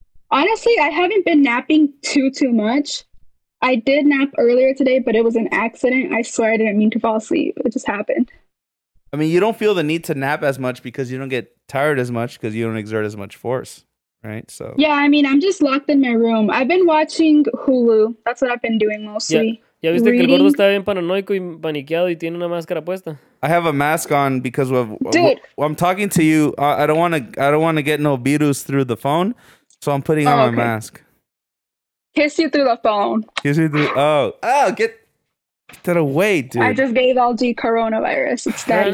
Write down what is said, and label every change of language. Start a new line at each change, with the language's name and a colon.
English: Honestly, I haven't been napping too much. I did nap earlier today, but it was an accident. I swear I didn't mean to fall asleep. It just happened. I mean, you don't feel the need to nap as much because you don't get tired as much because you don't exert as much force, right? So yeah, I mean, I'm just locked in my room. I've been watching Hulu. That's what I've been doing mostly. Yeah.
Spanish: ¿Ya viste que el gordo está bien paranoico y paniqueado y tiene una máscara puesta?
English: I have a mask on because I'm talking to you. I don't want to get no virus through the phone. So I'm putting on my mask. Kiss you through the phone. Kiss you through... Get that away, dude. I just gave LG coronavirus. It's dead.